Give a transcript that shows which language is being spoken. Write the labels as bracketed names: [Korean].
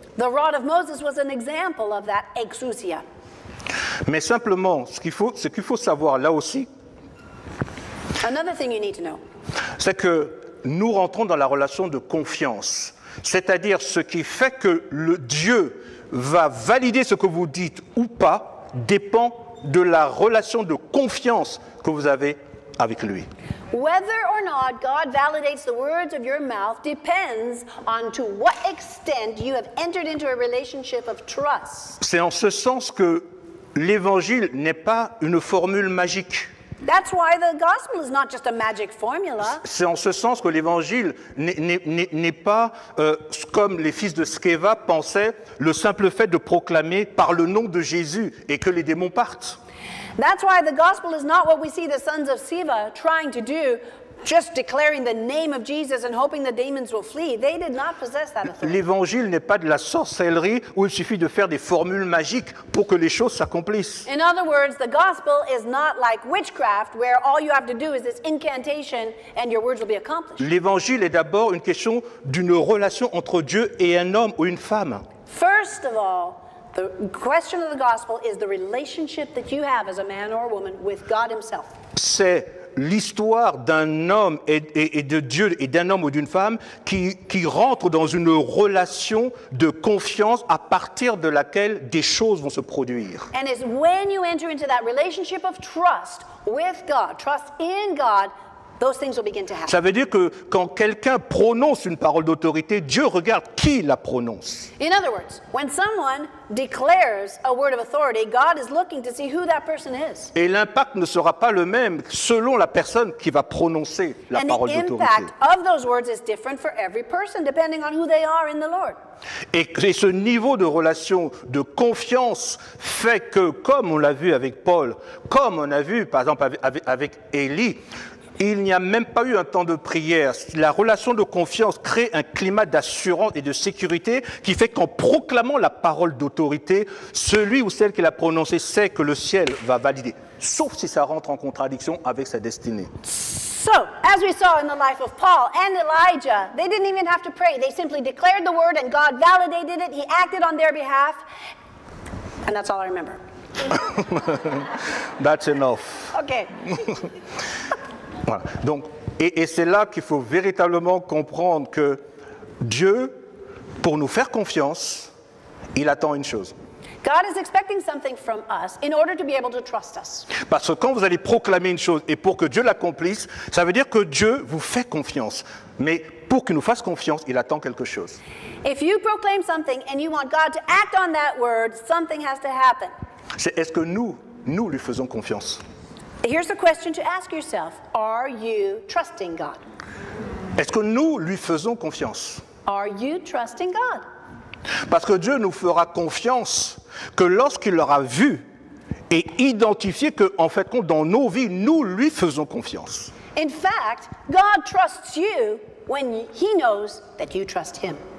[English] The rod of Moses was an example of that exousia. [French] Mais simplement, ce qu'il faut savoir là aussi, [English] another thing you need to know, [French] c'est que nous rentrons dans la relation de confiance. c'est-à-dire ce qui fait que le Dieu va valider ce que vous dites ou pas, dépend de la relation de confiance que vous avez avec lui. [English] Whether or not God validates the words of your mouth depends on to what extent you have entered into a relationship of trust. [French] C'est en ce sens que l'évangile n'est pas une formule magique. [English] That's why the gospel is not just a magic formula. [French] C'est en ce sens que l'évangile n'est pas comme les fils de Sceva pensaient, le simple fait de proclamer par le nom de Jésus et que les démons partent. [English] That's why the gospel is not what we see the sons of Sceva trying to do, just declaring the name of Jesus and hoping the demons will flee. They did not possess that authority. [French] L'évangile n'est pas de la sorcellerie où il suffit de faire des formules magiques pour que les choses s'accomplissent. [English] In other words, the gospel is not like witchcraft where all you have to do is this incantation and your words will be accomplished. [French] L'évangile est d'abord une question d'une relation entre Dieu et un homme ou une femme. [English] First of all, the question of the gospel is the relationship that you have as a man or a woman with God himself. [French] C'est l'histoire d'un homme et de Dieu et d'un homme ou d'une femme qui rentre dans une relation de confiance à partir de laquelle des choses vont se produire. [English] And it's when you enter into that relationship of trust with God, trust in God, those things will begin to happen. [French] Ça veut dire que quand quelqu'un prononce une parole d'autorité, Dieu regarde qui la prononce. [English] In other words, when someone declares a word of authority, God is looking to see who that person is. [French] Et l'impact ne sera pas le même selon la personne qui va prononcer la [English] And [French] parole d'autorité. [English] And the [French] impact d'autorité. [English] Of those words is different for every person depending on who they are in the Lord. [French] Et ce niveau de relation, de confiance, fait que, comme on l'a vu avec Paul, comme on a vu par exemple avec Élie, il n'y a même pas eu un temps de prière. La relation de confiance crée un climat d'assurance et de sécurité qui fait qu'en proclamant la parole d'autorité, celui ou celle qui l'a prononcée sait que le ciel va valider, sauf si ça rentre en contradiction avec sa destinée. [English] So, as we saw in the life of Paul and Elijah, they didn't even have to pray. They simply declared the word and God validated it. He acted on their behalf. And that's all I remember. That's enough. Okay. [French] Voilà. Donc, et c'est là qu'il faut véritablement comprendre que Dieu, pour nous faire confiance, il attend une chose. [English] God is expecting something from us in order to be able to trust us. [French] Parce que quand vous allez proclamer une chose et pour que Dieu l'accomplisse, ça veut dire que Dieu vous fait confiance. Mais pour qu'il nous fasse confiance, il attend quelque chose. [English] If you proclaim something and you want God to act on that word, something has to happen. [French] C'est est-ce que nous lui faisons confiance? [English] Here's a question to ask yourself. Are you trusting God? [French] Est-ce que nous lui faisons confiance? [English] Are you trusting God? [French] Parce que Dieu nous fera confiance que lorsqu'il l'aura vu et identifié que, en fait, dans nos vies, nous lui faisons confiance. [English] In fact, God trusts you when he knows that you trust him.